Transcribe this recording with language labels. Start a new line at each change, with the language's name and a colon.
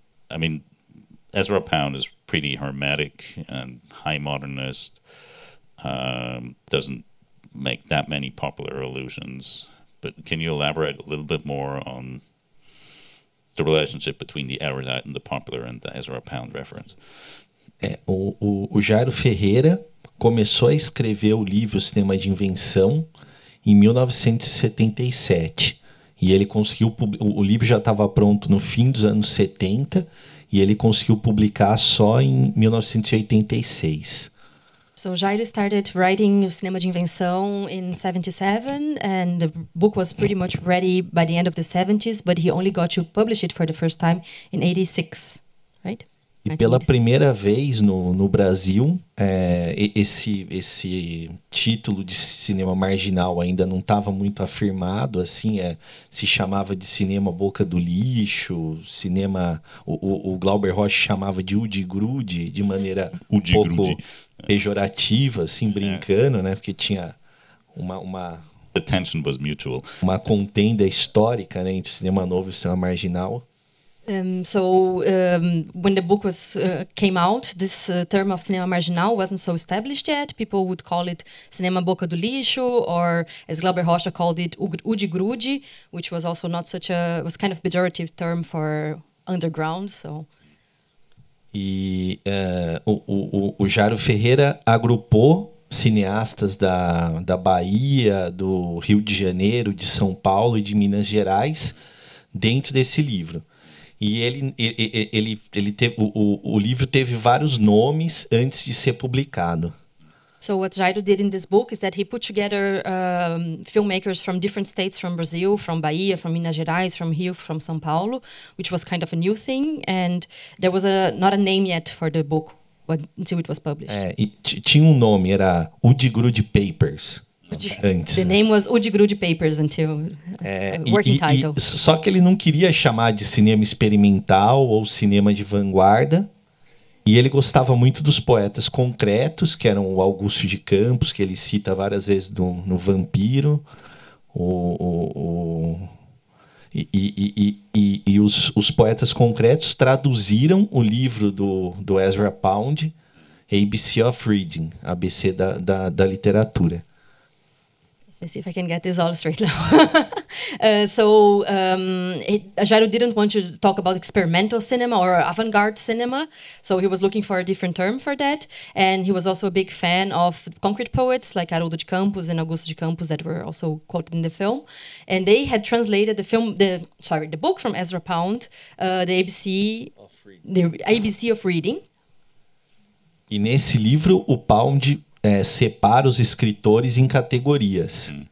English: I mean, Ezra Pound is pretty hermetic and high modernist. Doesn't make that many popular allusions, but can you elaborate a little bit more on the relationship between the erudite and the popular and the Ezra Pound reference?
Portuguese: O Jairo Ferreira começou a escrever o livro Cinema de Invenção em 1977, e ele conseguiu o livro já estava pronto no fim dos anos 70, e ele conseguiu publicar só em 1986.
English: So Jairo started writing Cinema de Invenção in 77, and the book was pretty much ready by the end of the 70s, but he only got to publish it for the first time in 86, right?
Portuguese: E pela primeira vez no Brasil, esse título de cinema marginal ainda não estava muito afirmado, assim, se chamava de cinema boca do lixo, cinema, o Glauber Rocha chamava de Udi Grude, de maneira um pouco pejorativa, assim, brincando, né, porque tinha uma
English: the tension was mutual.
Portuguese: Uma contenda histórica, né, entre Cinema Novo e Cinema Marginal.
English: When the book was came out, this term of cinema marginal wasn't so established yet. People would call it cinema boca do lixo, or as Glauber Rocha called it, uji-gruji, which was also not such a, was kind of a pejorative term for underground, so.
Portuguese: E o Jairo Ferreira agrupou cineastas da Bahia, do Rio de Janeiro, de São Paulo e de Minas Gerais dentro desse livro. E ele teve, o livro teve vários nomes antes de ser publicado.
English: So what Jairo did in this book is that he put together filmmakers from different states, from Brazil, from Bahia, from Minas Gerais, from Rio, from São Paulo, which was kind of a new thing, and there was not a name yet for the book until it was published.
Portuguese: Tinha nome, era Uji-gruji Papers. Antes,
English: the name was Uji-gruji Papers until working title.
Portuguese: Só que ele não queria chamar de cinema experimental ou cinema de vanguarda. E ele gostava muito dos poetas concretos, que eram o Augusto de Campos, que ele cita várias vezes no Vampiro, os poetas concretos traduziram o livro do Ezra Pound, ABC of Reading, ABC da literatura.
English: Let's see if I can get this all straight now. Jairo didn't want to talk about experimental cinema or avant-garde cinema, so he was looking for a different term for that. And he was also a big fan of concrete poets like Haroldo de Campos and Augusto de Campos that were also quoted in the film. And they had translated the book from Ezra Pound, the ABC of Reading.
Portuguese: E nesse livro, o Pound separa os escritores em categorias.